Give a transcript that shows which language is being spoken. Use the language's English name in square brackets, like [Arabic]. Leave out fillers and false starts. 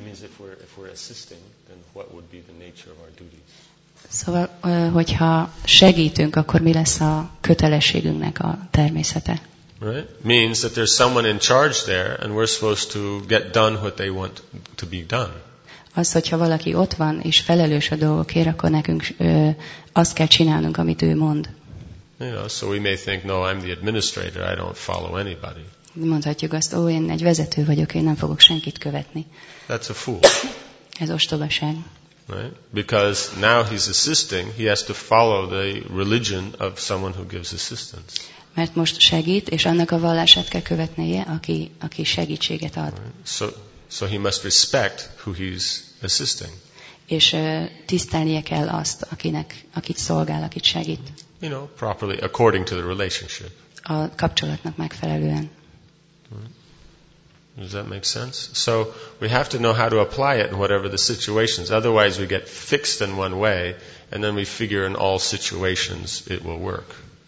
[English] means if we're assisting, then what would be the nature of our duties? [Hungarian] Szóval, hogyha segítünk, akkor mi lesz a kötelességünknek a természete? [English] Right? Means that there's someone in charge there, and we're supposed to get done what they want to be done. [Hungarian] Az, hogyha valaki ott van és felelős a dolgokért, akkor nekünk azt kell csinálnunk, amit ő mond. [English] You know, so we may think, no, I'm the administrator, I don't follow anybody. [Hungarian] Mondhatjuk azt, ó, én egy vezető vagyok, én nem fogok senkit követni. [English] That's a fool. [Hungarian] Ez ostobaság. [English] Right? Because now he's assisting, he has to follow the religion of someone who gives assistance. [Hungarian] Mert most segít, és annak a vallását kell követnie, aki segítséget ad. [English] Right? So he must respect who he's assisting. [Hungarian] És tisztelnie kell azt, akit szolgál, akit segít. [English] You know, properly, according to the relationship. [Hungarian] A kapcsolatnak megfelelően. [English] Does that make sense? So we have to know how to apply it in whatever the situations. Otherwise, we get fixed in one way, and then we figure in all situations it will work.